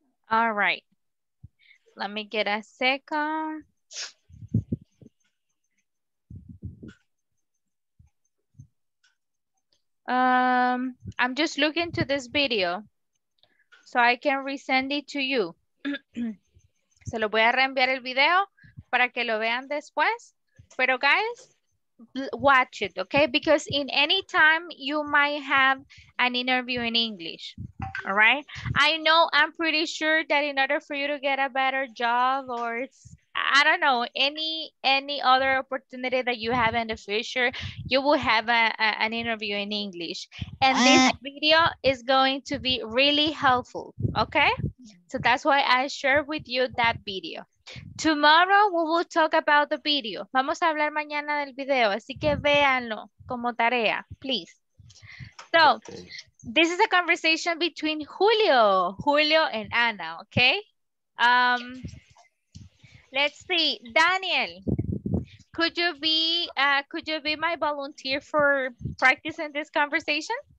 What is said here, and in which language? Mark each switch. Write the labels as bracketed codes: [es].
[en] All right. Let me get a second. I'm just looking to this video so I can resend it to you. [es] Se lo voy a reenviar el video para que lo vean después. [en] Pero guys, watch it, okay? Because in any time you might have an interview in English, all right? I know I'm pretty sure that in order for you to get a better job or it's, I don't know, any other opportunity that you have in the future, you will have an interview in English. And this video is going to be really helpful, okay? So that's why I share with you that video. Tomorrow, we will talk about the video. [es] Vamos a hablar mañana del video, así que véanlo como tarea, please. [en] So, this is a conversation between Julio and Ana, okay? Let's see, Daniel, could you be my volunteer for practicing this conversation?